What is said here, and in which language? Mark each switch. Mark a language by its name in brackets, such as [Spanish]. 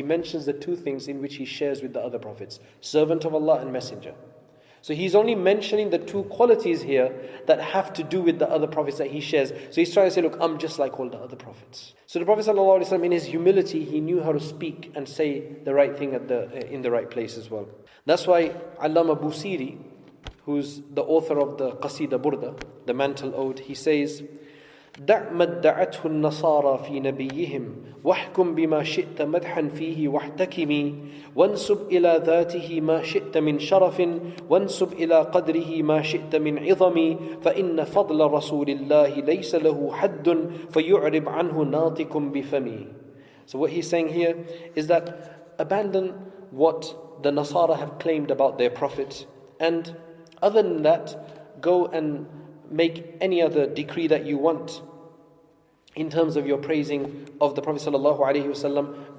[English] He mentions the two things in which he shares with the other prophets: servant of Allah and messenger. So he's only mentioning the two qualities here that have to do with the other prophets that he shares. So he's trying to say, look, I'm just like all the other prophets. So the Prophet sallallahu alaihi wasallam, in his humility, he knew how to speak and say the right thing in the right place as well. That's why Allama Busiri, who's the author of the Qasida Burda, the Mantle Ode, he says, [Arabic] دَعْ مَدَّعَتْهُ النَّصَارَى فِي نَبِيِّهِمْ وَحْكُمْ بِمَا شِئْتَ مَدْحًا فِيهِ وَاحْتَكِمِي وَانْسُبْ إِلَى ذَاتِهِ مَا شِئْتَ مِنْ شَرَفٍ وَانْسُبْ إِلَى قَدْرِهِ مَا شِئْتَ مِنْ عِظَمِي فَإِنَّ فَضْلَ رَسُولِ اللَّهِ لَيْسَ لَهُ حَدٌّ فَيُعْرِبْ عَنْهُ نَاطِكُمْ بِفَمِي. [English] So what he's saying here is that abandon what the Nasara have claimed about their prophet, and other than that, go and make any other decree that you want in terms of your praising of the Prophet sallallahu alaihi wasallam.